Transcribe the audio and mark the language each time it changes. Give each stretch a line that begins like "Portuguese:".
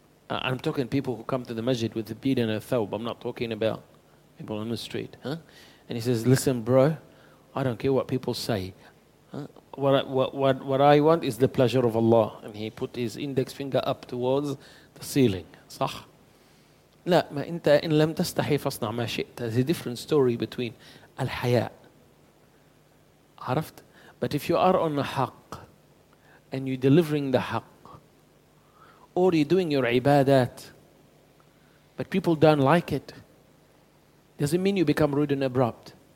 English: I'm talking people who come to the masjid with a beard and a thawb. I'm not talking about people on the street. And he says, listen, bro, I don't care what people say. What I want is the pleasure of Allah. And he put his index finger up towards the ceiling.
Arabic: صح? لا, ما انت ان لم تستحي فاصنع ما شئت.
English: There's a different story between الحياء.
Arabic: عرفت?
English: But if you are on the haqq, and you're delivering the haqq, or you're doing your ibadat, but people don't like it, doesn't mean you become rude and abrupt.